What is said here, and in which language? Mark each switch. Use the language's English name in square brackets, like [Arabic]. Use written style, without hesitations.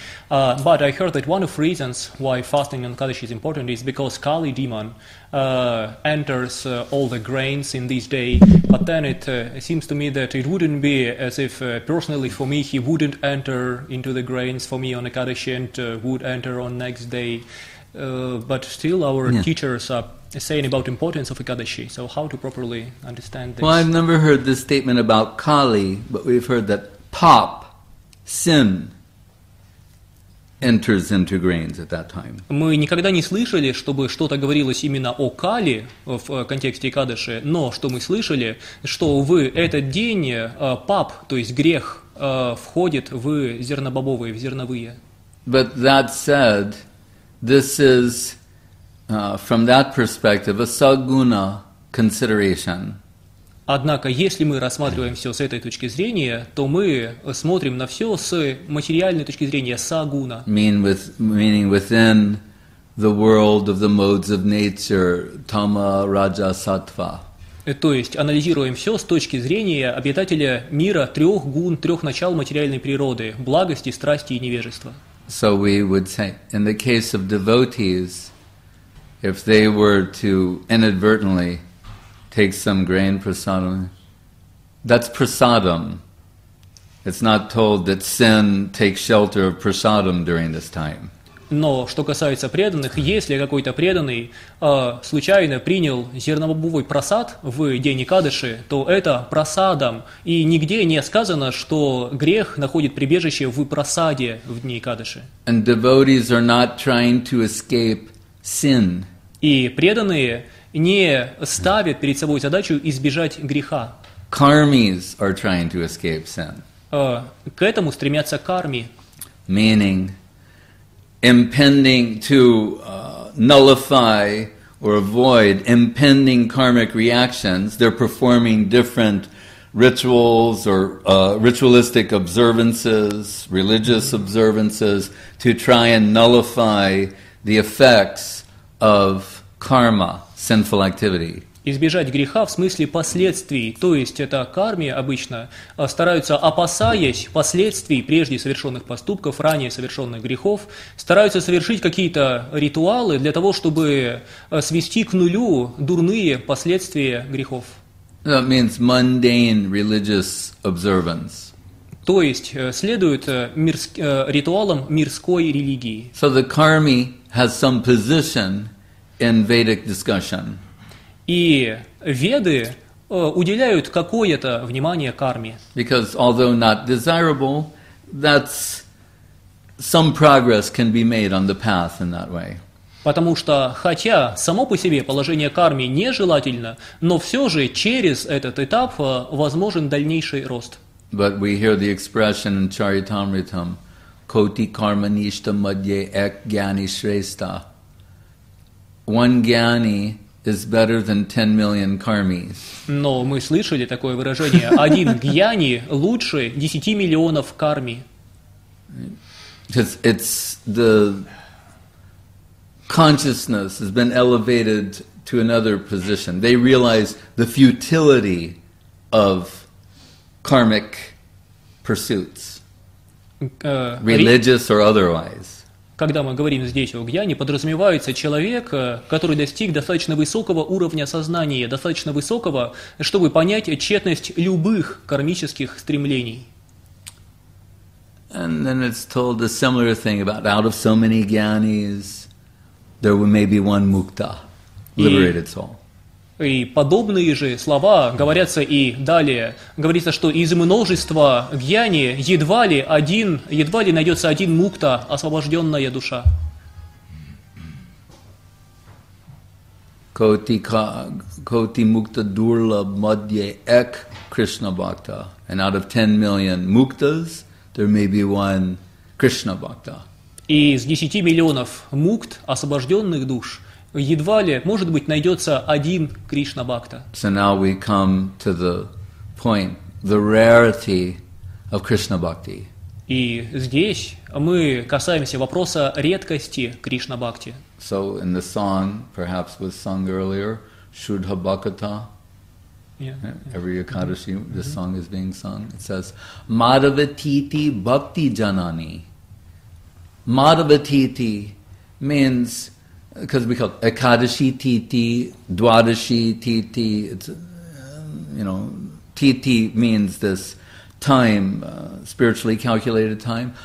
[English] But I heard that one of reasons why fasting on Ekadashi is important is because Kali demon enters all the grains in this day, but then it seems to me that it wouldn't be as if personally for me he wouldn't enter into the grains for me on Ekadashi and would enter on next day. But still our teachers are saying about importance of Ekadashi. So how to properly understand this? Well, I've never heard this statement about Kali, but we've heard that pop, sin, enters into grains at that time. [Russian] Мы никогда не слышали, чтобы что-то говорилось именно о Кали в контексте Экадаши, но что мы слышали, что в этот день пап, то есть грех, входит в зернобобовые, в зерновые. [English] But that said, this is, from that perspective, a saguna consideration. [Russian] Однако, если мы рассматриваем все с этой точки зрения, то мы смотрим на все с материальной точки зрения сагуна. [English] Meaning within the world of the modes of nature, tama, raja, sattva. [Russian] То есть анализируем все с точки зрения обитателя мира трех гун, трех начал материальной природы: благости, страсти и невежества. [English] So we would say, in the case of devotees, if they were to inadvertently take some grain prasadam, that's prasadam. It's not told that sin takes shelter of prasadam during this time. [Russian] Но что касается преданных, если какой-то преданный случайно принял зернобобовый просад в день Экадаши, то это просадом, и нигде не сказано, что грех находит прибежище в просаде в дни Экадаши. [English] And devotees are not trying to escape sin. [Russian] И преданные не ставят перед собой задачу избежать греха. [English] Кармис are trying to escape sin. [Russian] К этому стремятся карми. [English] Meaning impending to nullify or avoid impending karmic reactions, they're performing different rituals or ritualistic observances, religious observances, to try and nullify the effects of karma, sinful activity. [Russian] Избежать греха в смысле последствий, то есть это кармия обычно, стараются, опасаясь последствий прежде совершенных поступков, ранее совершенных грехов, стараются совершить какие-то ритуалы для того, чтобы свести к нулю дурные последствия грехов. [English] That means mundane religious observance. [Russian] То есть следуют ритуалам мирской религии. [English] So the karmi has some position in Vedic discussion. [Russian] И веды уделяют какое-то внимание карме. [English] Because although not desirable, that's some progress can be made on the path in that way. [Russian] Потому что хотя само по себе положение карме нежелательно, но все же через этот этап возможен дальнейший рост. [English] But we hear the expression in Charitamritam, [Sanskrit] koti karma nishta madhye ek gyani shrestha. [English] One gyani is better than 10 million karmis. [Russian] Но мы слышали такое выражение: один гьяни лучше 10 миллионов карми. [English] It's the consciousness has been elevated to another position. They realize the futility of karmic pursuits, religious or otherwise. [Russian] Когда мы говорим здесь о гьяне, подразумевается человек, который достиг достаточно высокого уровня сознания, достаточно высокого, чтобы понять тщетность любых кармических стремлений. [English] And then it's told a similar thing about out of so many gyanis, there may be one mukta, liberated soul. [Russian] И подобные же слова говорятся и далее. Говорится, что из множества гьяни едва ли найдется один мукта, освобожденная душа. [Sanskrit] Коти мукта дурла мадье эк Кришна бхакта. [English] And out of 10 million муктас, there may be one Кришна бхакта. [Russian] Из 10 миллионов мукт, освобожденных душ, едва ли, может быть, найдется один Кришна Бхакта. [English] So now we come to the point, the rarity of Krishna Bhakti. [Russian] И здесь мы касаемся вопроса редкости Кришна Бхакти. [English] So in the song, perhaps was sung earlier, Shuddha Bhakata. Every Ekadashi, this song is being sung. It says, Madhavatiti Bhakti Janani. Madhavatiti means, because we call Ekadashi Titi, Dwadashi Titi, it's, you know, Titi means this time, spiritually calculated time.